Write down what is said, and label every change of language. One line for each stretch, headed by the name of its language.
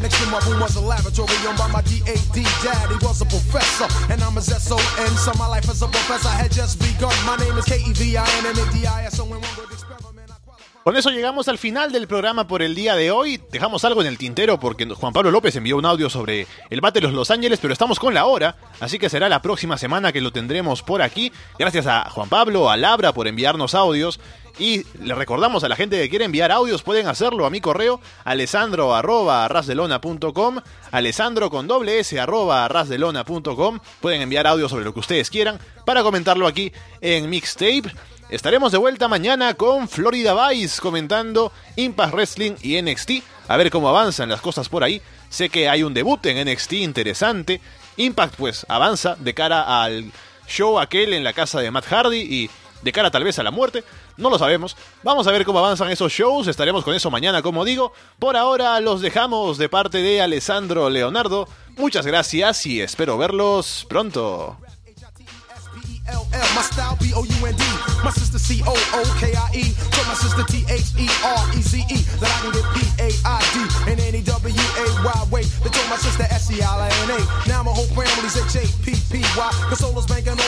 English: Next to my room was a laboratory owned by my DAD dad. He was a professor, and I'm his S-O-N. So my life as a professor had just begun. My name is K-E-V-I-N-N-A-D-I-S-O-N.
Spanish: Con eso llegamos al final del programa por el día de hoy. Dejamos algo en el tintero porque Juan Pablo López envió un audio sobre el Battle of Los Ángeles, pero estamos con la hora, así que será la próxima semana que lo tendremos por aquí. Gracias a Juan Pablo, a Labra por enviarnos audios. Y le recordamos a la gente que quiere enviar audios, pueden hacerlo a mi correo, alessandro@rasdelona.com, alessandro con doble S, @rasdelona.com. Pueden enviar audios sobre lo que ustedes quieran para comentarlo aquí en Mixtape. Estaremos de vuelta mañana con Florida Vice comentando Impact Wrestling y NXT, a ver cómo avanzan las cosas por ahí. Sé que hay un debut en NXT interesante. Impact pues avanza de cara al show aquel en la casa de Matt Hardy y de cara tal vez a la muerte, no lo sabemos. Vamos a ver cómo avanzan esos shows, estaremos con eso mañana, como digo. Por ahora los dejamos de parte de Alessandro Leonardo. Muchas gracias y espero verlos pronto.
English: L-L, my style, B-O-U-N-D, my sister C-O-O-K-I-E, told my sister T-H-E-R-E-Z-E, that I can get P-A-I-D, in any W-A-Y way, they told my sister S-E-I-L-A-N-A, now my whole family's H-A-P-P-Y, cause all those bank